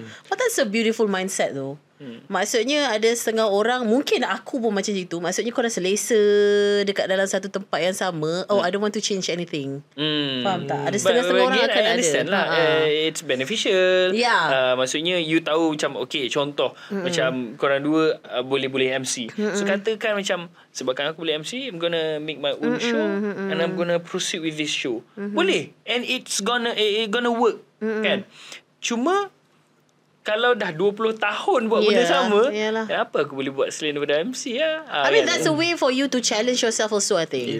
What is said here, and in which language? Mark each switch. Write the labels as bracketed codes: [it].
[en] But that's a beautiful mindset though. [ms] Maksudnya ada setengah orang, mungkin aku pun macam gitu. Maksudnya kau dah selesa dekat dalam satu tempat yang sama. [en] I don't want to change anything. [ms] Faham tak? Ada setengah-setengah orang akan ada. Understand lah. [en] It's beneficial. [ms] Maksudnya you tahu macam, okay contoh, macam korang dua boleh-boleh MC. So katakan macam, sebabkan aku boleh MC, [en] I'm gonna make my own show and I'm gonna proceed with this show. [ms] Boleh. [en] And it's gonna work. [ms] Kan? Cuma kalau dah 20 tahun buat benda sama, ya apa aku boleh buat selain daripada MC lah. [en] I mean, that's a way for you to challenge yourself also, I think.